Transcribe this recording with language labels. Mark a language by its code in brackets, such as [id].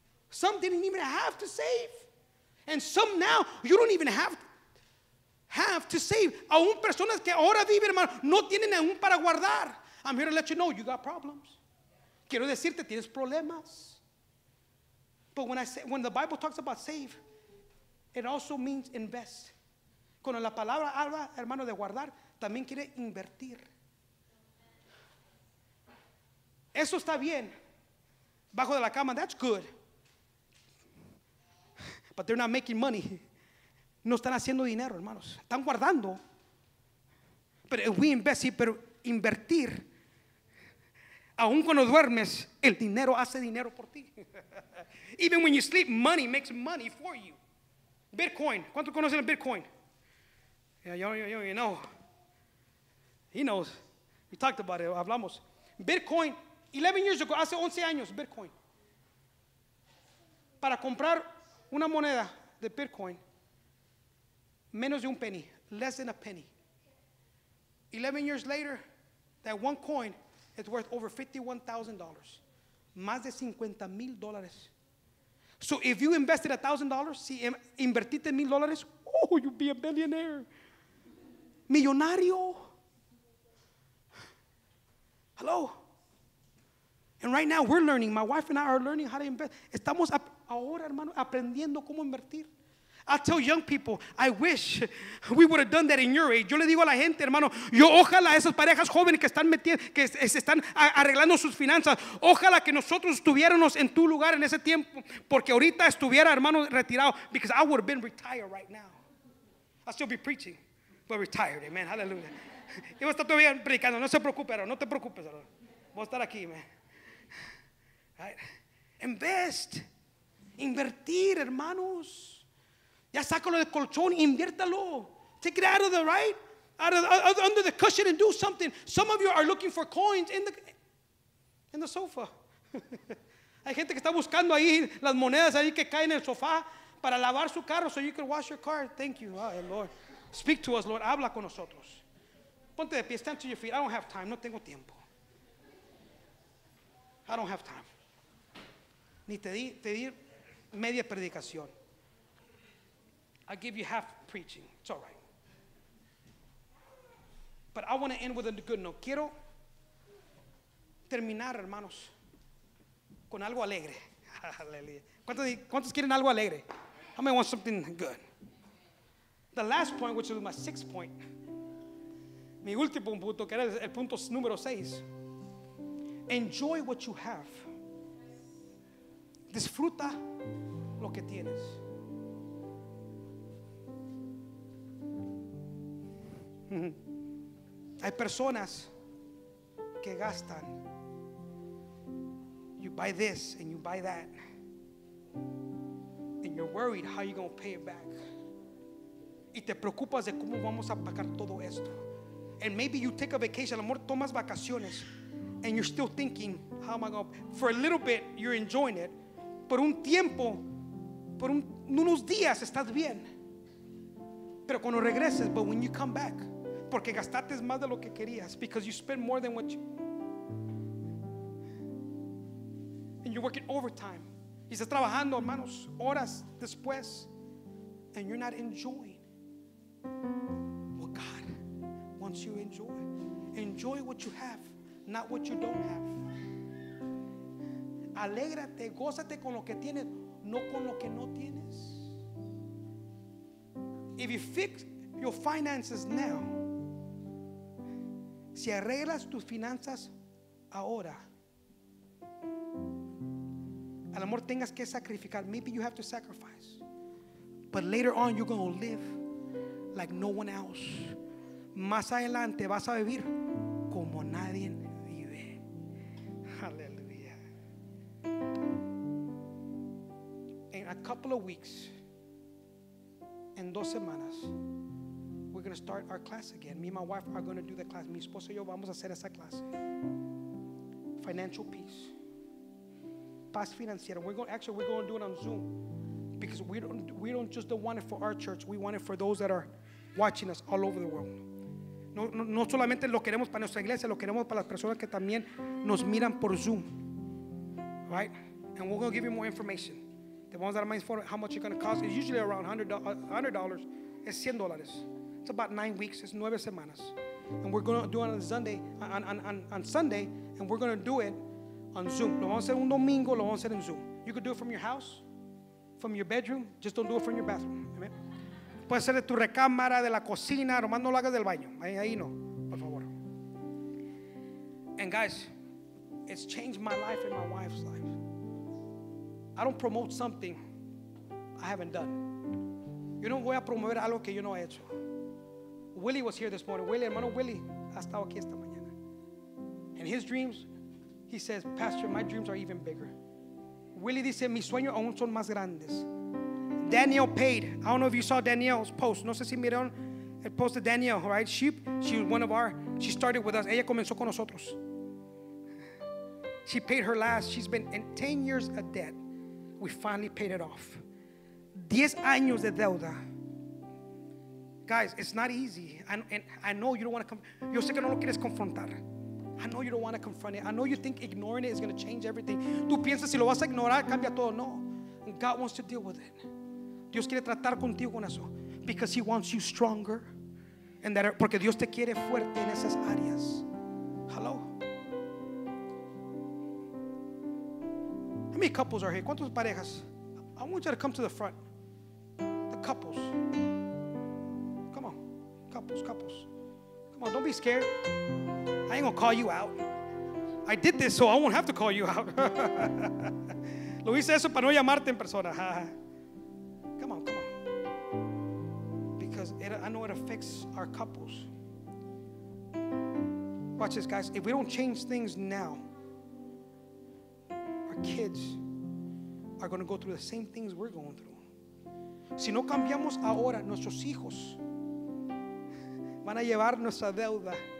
[en] Some didn't even have to save, and some now you don't even have to save. [es] Aún personas que ahora viven, hermano, no tienen aún para guardar. [en] I'm here to let you know you got problems. [es] Quiero decirte, tienes problemas. [en] But when the Bible talks about save, it also means invest. [es] Cuando la palabra habla, hermano, de guardar, también quiere invertir. Eso está bien. Bajo de la cama, [en] that's good. But they're not making money. [es] No están haciendo dinero, hermanos. Están guardando. Pero [en] we invest, [es] sí, pero invertir. Aun cuando duermes, el dinero hace dinero por ti. [en] Even when you sleep, money makes money for you. Bitcoin. [es] ¿Cuántos conocen el Bitcoin? [en] Yeah, you know. He knows. We talked about it. [es] Hablamos. [en] Bitcoin. 11 years ago, [es] hace 11 años, [en] Bitcoin. [es] Para comprar una moneda de Bitcoin, menos de un penny, [en] less than a penny. 11 years later, that one coin is worth over $51,000. [es] Más de $50,000. [en] So if you invested $1,000, [es] si invertiste $1,000, [en] oh, you'd be a billionaire. [es] Millonario. [en] Hello. And right now we're learning. My wife and I are learning how to invest. [es] Estamos ahora, hermano, aprendiendo cómo invertir. [en] I tell young people, I wish we would have done that in your age. [es] Yo le digo a la gente, hermano, yo ojalá esas parejas jóvenes que están metiendo, que se están arreglando sus finanzas, ojalá que nosotros estuviéramos en tu lugar en ese tiempo, porque ahorita estuviera, hermano, retirado. [en] Because I would have been retired right now. I'd still be preaching, but retired, amen, hallelujah. [es] Iba a estar todavía predicando, no se preocupe, no te preocupes, hermano. Voy a estar aquí, amen. [en] Right. Invest. [es] Invertir, hermanos. Ya sácalo del colchón, inviértalo. [en] Take it out of the right, under the cushion and do something. Some of you are looking for coins in the sofa. [es] Hay gente que está buscando ahí las monedas ahí que caen en el sofá para lavar su carro [en] so you can wash your car. Thank you, oh, Lord. Speak to us, Lord. [es] Habla con nosotros. Ponte de pie, [en] stand to your feet. I don't have time. [es] No tengo tiempo. [en] I don't have time. [es] Ni te di media predicación. [en] I give you half preaching. It's all right. But I want to end with a good note. [es] Quiero terminar, hermanos, con algo alegre. ¿Cuántos quieren algo alegre? [en] How many want something good? The last point, which is my sixth point. [es] Mi último punto, que era el punto número seis. [en] Enjoy what you have. [es] Disfruta lo que tienes. Hay personas que gastan. [en] You buy this and you buy that. And you're worried how you're going to pay it back. [es] Y te preocupas de cómo vamos a pagar todo esto. [en] And maybe you take a vacation. [es] A lo mejor tomas vacaciones. [en] And you're still thinking, how am I going to pay? For a little bit, you're enjoying it. [es] Por un tiempo, por unos días estás bien. Pero cuando regreses, [en] but when you come back, [es] porque gastaste más de lo que querías, [en] because you spent more than what you, and you're working overtime, [es] y estás trabajando, hermanos, horas después, [en] and you're not enjoying what God wants you to enjoy. Enjoy what you have, not what you don't have. [es] Alégrate, gózate con lo que tienes, no con lo que no tienes. [en] If you fix your finances now, [es] si arreglas tus finanzas ahora, al amor tengas que sacrificar. [en] Maybe you have to sacrifice, but later on you're going to live like no one else. [es] Más adelante vas a vivir como nadie vive. Aleluya. [en] In a couple of weeks, [es] en dos semanas, [en] we're going to start our class again. Me and my wife are going to do the class. [es] Mi esposo y yo vamos a hacer esa clase. [en] Financial peace. [es] Paz financiera. [en] We're going to do it on Zoom, because we don't just want it for our church. We want it for those that are watching us all over the world. [es] No solamente lo queremos para nuestra iglesia, lo queremos para las personas que también nos miran por Zoom. [en] Right? And we're going to give you more information. How much it's going to cost? It's usually around $100. It's $100. It's about 9 weeks. It's [es] 9 semanas. [en] And we're going to do it on Sunday. And we're going to do it on Zoom. [es] Lo vamos a hacer un domingo, lo vamos a hacer en Zoom. [en] You could do it from your house, from your bedroom. Just don't do it from your bathroom. Amen. [es] Puede ser de tu recámara, de la cocina, nomás no lo hagas del baño. Ahí no, por favor. [en] And guys, it's changed my life and my wife's life. I don't promote something I haven't done. [es] Yo no voy a promover algo que yo no he hecho. [en] Willie was here this morning. [es] Willie, hermano Willie, ha estado aquí esta mañana. [en] And his dreams, he says, Pastor, my dreams are even bigger. [es] Willie dice, mis sueños aún son más grandes. [en] Danielle Paid, I don't know if you saw Danielle's post. [es] No sé si miraron el post de Danielle, [en] right? She was one of our, she started with us. [es] Ella comenzó con nosotros. [en] She paid her last. She's been in 10 years of debt. We finally paid it off. [es] 10 años de deuda. Guys, it's not easy. [en] I know you don't want to come. [es] Yo sé que no lo quieres confrontar. [en] I know you don't want to confront it. I know you think ignoring it is going to change everything. [es] Tú piensas si lo vas a ignorar, cambia todo. No. [en] God wants to deal with it. [es] Dios quiere tratar contigo con eso. [en] Because he wants you stronger. And that, [es] porque Dios te quiere fuerte en esas áreas. [en] Hello. How many couples are here? [es] ¿Cuántos parejas? [en] I want you to come to the front. The couples. Come on. Couples. Come on, don't be scared. I ain't gonna call you out. I did this so I won't have to call you out. [es] Lo hice eso para no llamarte en persona. [en] Come on. Because I know it affects our couples. Watch this, guys. If we don't change things now, our kids are going to go through the same things we're going through. [es] Si no cambiamos ahora, nuestros hijos van a llevar nuestra deuda.